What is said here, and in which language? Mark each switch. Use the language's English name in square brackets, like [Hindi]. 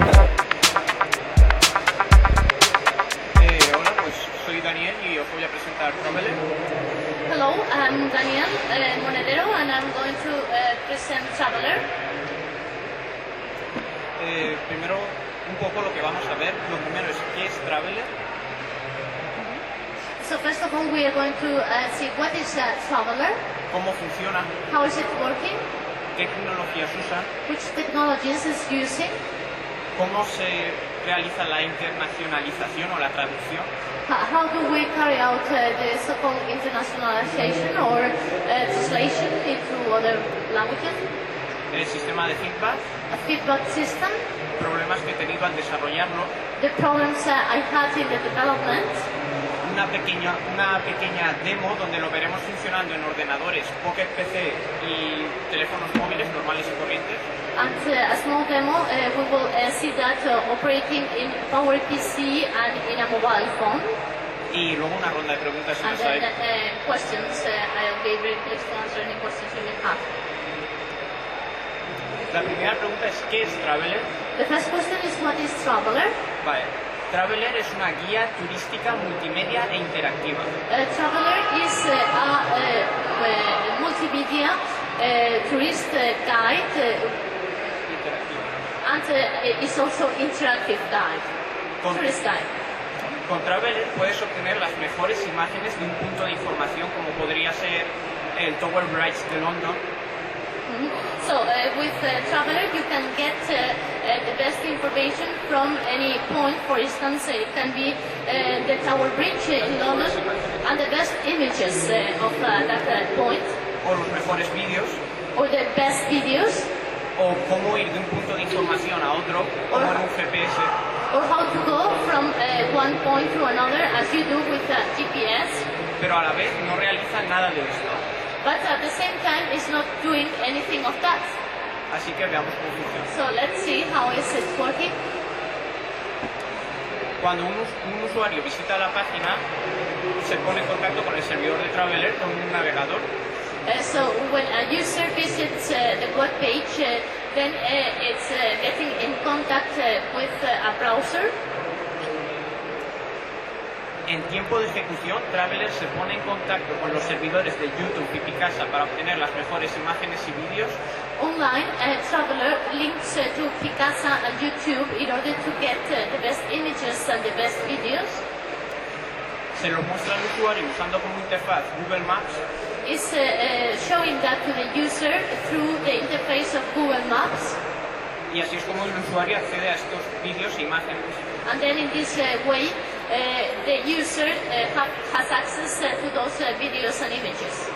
[Spanish] Hola, pues soy Daniel y os voy a presentar Novele. [English] Hello, I'm Daniel Monedero and I'm going to present Traveler. [Spanish] Primero, un poco lo que vamos a ver. Lo primero es, ¿qué es Traveler? [English] So first of all, we are going to see what is a Traveler. [Spanish] ¿Cómo funciona? [English] How is it working? [Spanish] ¿Qué tecnologías usa? [English] Which technologies is using? [Spanish] ¿Cómo se realiza la internacionalización o la traducción? [English] How do we carry out the so-called internationalization or translation into other languages? [Spanish] ¿El sistema de feedback? [English] A feedback system. [Spanish] ¿Problemas que he tenido al desarrollarlo? [English] The problems I had in the development. [Spanish] Una pequeña demo donde lo veremos funcionando en ordenadores, Pocket PC y teléfonos móviles normales y corrientes. [English] And a small demo, we will see that operating in Power PC and in a mobile phone. [Spanish] Y luego una ronda de preguntas y [English] questions. I'll be ready to answer any questions you may have. [Spanish] La primera pregunta es, ¿qué es Traveler? [English] The first question is, what is Traveler? [Spanish] Vale. Traveler es una guía turística multimedia e interactiva. [English] Traveler is a multimedia tourist guide. [Spanish] Interactiva. [English] And it's also interactive guide. Tourist guide. [Spanish] Con Traveler puedes obtener las mejores imágenes de un punto de información como podría ser el Tower Bridge de London. [English] So with Traveler you can get the best information from any point. For instance, it can be the Tower Bridge in London, and the best images of that point. [Spanish] O los mejores videos. [English] Or the best videos. [Spanish] O cómo ir de un punto de información a otro, o con un GPS. [English] Or how to go from one point to another, as you do with GPS. [Spanish] Pero a la vez no realiza nada de esto. [English] But at the same time, it's not doing anything of that. [Spanish] Así que veamos cómo funciona. [English] So let's see how is it working. [Spanish] Cuando un usuario visita la página, se pone en contacto con el servidor de Traveler, con un navegador. [English] So when a user visits the web page, then it's getting in contact with a browser. [Spanish] En tiempo de ejecución, Traveler se pone en contacto con los servidores de YouTube y Picasa para obtener las mejores imágenes y vídeos. [English] Online, Traveler links to Picasa and YouTube in order to get the best images and the best videos. [Spanish] Se lo muestra al usuario usando como interfaz Google Maps. [English] It's showing that to the user through the interface of Google Maps. [Spanish] Y así es como el usuario accede a estos vídeos e imágenes. [English] And then in this way, the user has access to those videos and images.